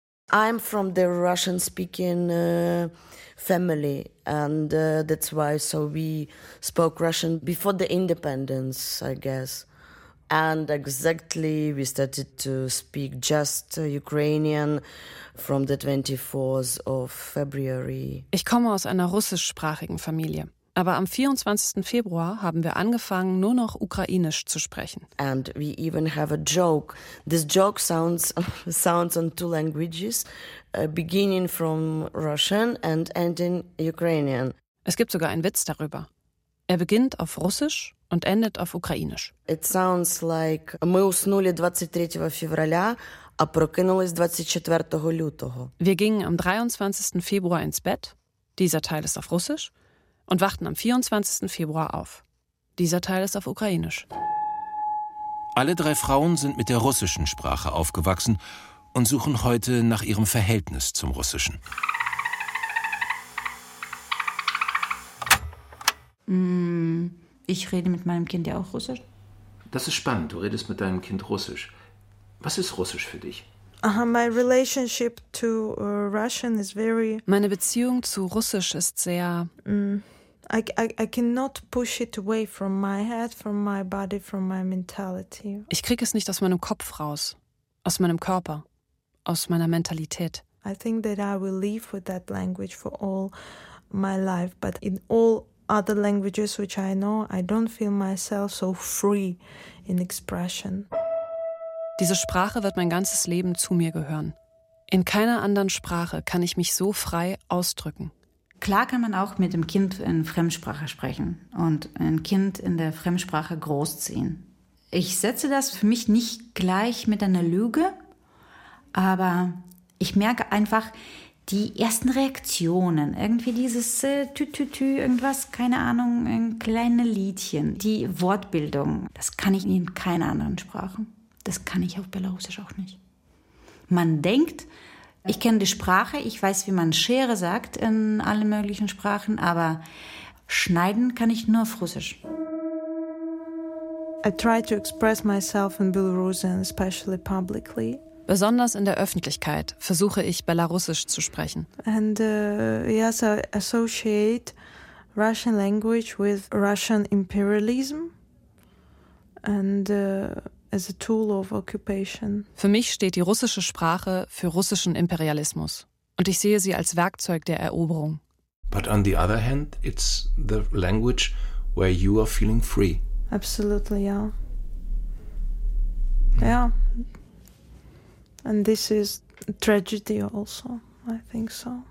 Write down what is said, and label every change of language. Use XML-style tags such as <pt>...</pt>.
<en>I'm from the Russian speaking family and that's why so we spoke Russian before the independence, I guess. And exactly, we started to speak just Ukrainian from the 24th of February.</en> <de>Ich komme aus einer russischsprachigen Familie. Aber am 24. Februar haben wir angefangen, nur noch Ukrainisch zu sprechen.</de> <en>And we even have a joke. This joke sounds on two languages, beginning from Russian and ending Ukrainian.</en> <de>Es gibt sogar einen Witz darüber. Er beginnt auf Russisch und endet auf Ukrainisch.</de> <en>It sounds like</en> <ru>мы уснули 23 февраля,</ru> <uk>а прокинулись 24 лютого.</uk> <de>Wir gingen am 23. Februar ins Bett. Dieser Teil ist auf Russisch und wachten am 24. Februar auf. Dieser Teil ist auf Ukrainisch. Alle drei Frauen sind mit der russischen Sprache aufgewachsen und suchen heute nach ihrem Verhältnis zum Russischen. Ich rede mit meinem Kind ja auch Russisch. Das ist spannend, du redest mit deinem Kind Russisch. Was ist Russisch für dich?</de> <en>My relationship to Russian is very...</en> <de>Meine Beziehung zu Russisch ist sehr...</de> <en>I cannot push it away from my head, from my body, from my mentality.</en> <de>Ich kriege es nicht aus meinem Kopf raus, aus meinem Körper, aus meiner Mentalität.</de> <en>I think that I will live with that language for all my life, but in all other languages which I know, I don't feel myself so free in expression.</en> <de>Diese Sprache wird mein ganzes Leben zu mir gehören. In keiner anderen Sprache kann ich mich so frei ausdrücken. Klar kann man auch mit dem Kind in Fremdsprache sprechen und ein Kind in der Fremdsprache großziehen. Ich setze das für mich nicht gleich mit einer Lüge, aber ich merke einfach, die ersten Reaktionen, irgendwie dieses Tü-Tü-Tü, irgendwas, keine Ahnung, kleine Liedchen, die Wortbildung, das kann ich in keiner anderen Sprache. Das kann ich auf Belarusisch auch nicht. Man denkt, ich kenne die Sprache, ich weiß, wie man Schere sagt in allen möglichen Sprachen, aber schneiden kann ich nur auf Russisch.</de> <en>I tried to express myself in Belarusian, especially publicly.</en> <de>Besonders in der Öffentlichkeit versuche ich, Belarussisch zu sprechen.</de> <en>And yes, I associate Russian language with Russian imperialism and as a tool of occupation.</en> <de>Für mich steht die russische Sprache für russischen Imperialismus. Und ich sehe sie als Werkzeug der Eroberung.</de> <en>But on the other hand, it's the language where you are feeling free. Absolutely, yeah. Yeah. And this is tragedy also, I think so.</en>